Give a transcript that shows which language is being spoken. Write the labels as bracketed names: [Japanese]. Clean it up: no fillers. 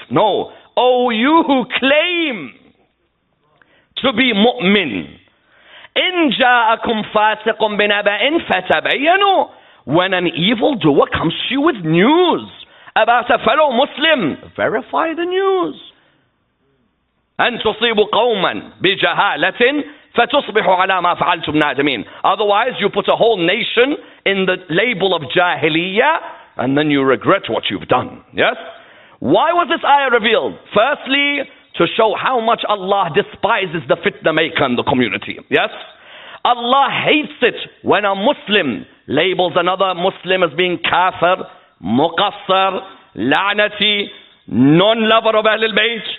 [English] No. All you who claim to be mu'min. [Arabic] In ja'akum fasiqun binaba'in fatabayyanu. [English] When an evildoer comes to you with news about a fellow Muslim, verify the news. [Arabic] أن تصيب قوما بجهالة فتصبح على ما فعلتم نادمين. [English] Otherwise you put a whole nation in the label of jahiliya and then you regret what you've done. Yes? Why was this ayah revealed? Firstly, to show how much Allah despises the fitna maker in the community. Yes? Allah hates it when a Muslim labels another Muslim as being kafir, muqassar, la'nati, non-lover of Ahlul Bayt.